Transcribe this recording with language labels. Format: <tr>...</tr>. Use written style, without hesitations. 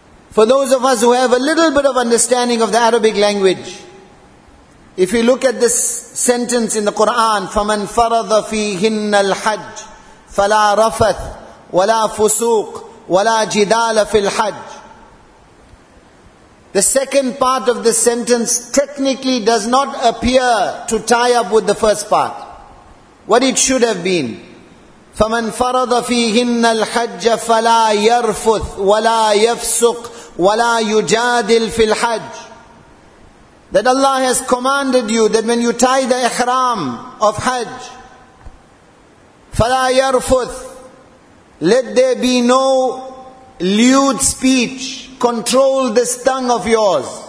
<en>For those of us who have a little bit of understanding of the Arabic language, if you look at this sentence in the Quran,</en> <ar>فَمَنْ فَرَضَ فِيهِنَّ الْحَجِّ فَلَا رَفَثْ وَلَا فُسُوق وَلَا جِدَالَ فِي الْحَجِّ.</ar> <en>The second part of the sentence technically does not appear to tie up with the first part. What it should have been,</en> <ar>فَمَنْ فَرَضَ فِيهِنَّ الْحَجَّ فَلَا يَرْفُثْ وَلَا يَفْسُقْ وَلَا يُجَادِلْ فِي الْحَجِّ.</ar> <en>That Allah has commanded you that when you tie the ihram of Hajj,</en> <ar>فَلَا يَرْفُثْ,</ar> <en>let there be no lewd speech. Control this tongue of yours.</en>